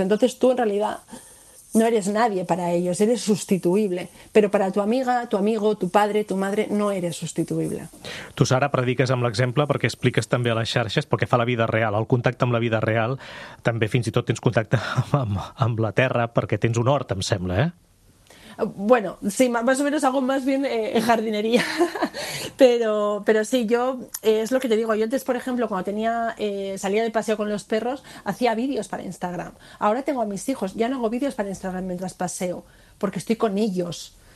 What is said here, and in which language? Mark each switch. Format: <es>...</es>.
<es>Entonces tú en realidad no eres nadie para ellos, eres sustituible. Pero para tu amiga, tu amigo, tu padre, tu madre, no eres sustituible.</es> <ca>Tu, Sara, prediques amb l'exemple perquè expliques també a les xarxes, perquè fa la vida real, el contacte amb la vida real. També fins i tot tens contacte amb la terra perquè tens un hort, em sembla, eh?</ca> <es>Bueno, sí, más o menos hago más bien jardinería, pero sí, yo, es lo que te digo, yo antes, por ejemplo, cuando salía de paseo con los perros, hacía vídeos para Instagram. Ahora tengo a mis hijos, ya no hago vídeos para Instagram mientras paseo, porque estoy con ellos.</es>